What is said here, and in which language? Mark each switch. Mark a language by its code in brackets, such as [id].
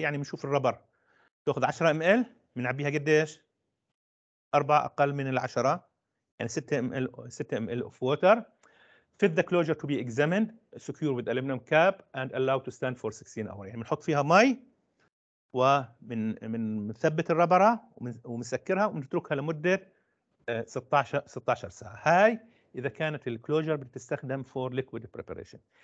[ar] يعني بنشوف الربر تاخذ 10 ام ال بنعبيها قديش؟ 4 اقل من العشرة، يعني 6 ml of water. [en] Fit the closure to be examined secure with aluminum cap and allow to stand for 16 hours. يعني بنحط فيها مي [ar] ومنثبت الربرة ومسكرها ومنتركها لمدة 16 ساعة. هاي إذا كانت الكلوجر بتستخدم for liquid preparation.